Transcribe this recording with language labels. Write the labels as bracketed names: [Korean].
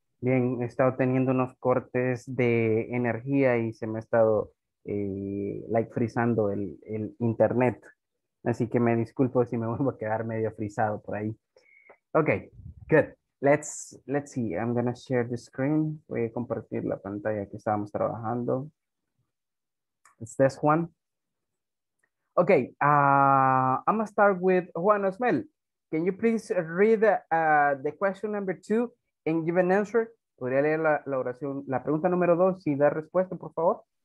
[Spanish] Bien, he estado teniendo unos cortes de energía y se me ha estado frisando el internet. Así que me disculpo si me vuelvo a quedar medio frisado por ahí. Okay, good. [English] Let's see. I'm going to share the screen. [Spanish] Voy a compartir la pantalla que estábamos trabajando. [English] It's this one. Okay, I'm going to start with Juan Osmel. Can you please read the question number two and give an answer? [Spanish] ¿Podría leer la oración, la pregunta número dos y dar respuesta, por favor?